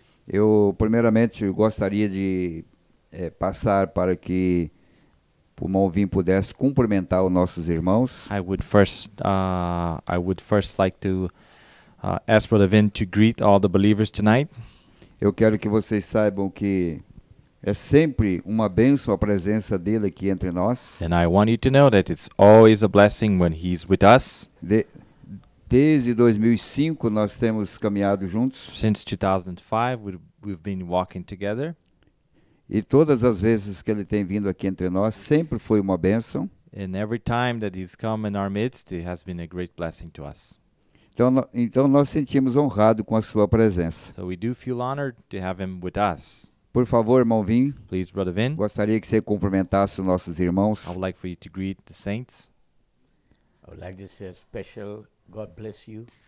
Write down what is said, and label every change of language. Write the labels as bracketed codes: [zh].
[pt] Eu primeiramente gostaria de passar para que o Malvin pudesse cumprimentar os nossos irmãos. [en] I would first like to ask Brother Vin to greet all the believers tonight. [pt] Eu quero que vocês saibam que é sempre uma bênção a presença dele aqui entre nós. [en] And I want you to know that it's always a blessing when he's with us. [pt] Desde 2005 nós temos caminhado juntos. [en] Since 2005 we've been walking together. [pt] E todas as vezes que ele tem vindo aqui entre nós, sempre foi uma bênção. [en] And every time that he's come in our midst, it has been a great blessing to us. [pt] Então nós sentimos honrado com a sua presença. [en] So we do feel honored to have him with us. [pt] Por favor, irmão Vim. [en] Please, Brother Vin. [pt] Gostaria que você cumprimentasse os nossos irmãos. [en] I would like for you to greet the saints. I would like to say a special God bless you.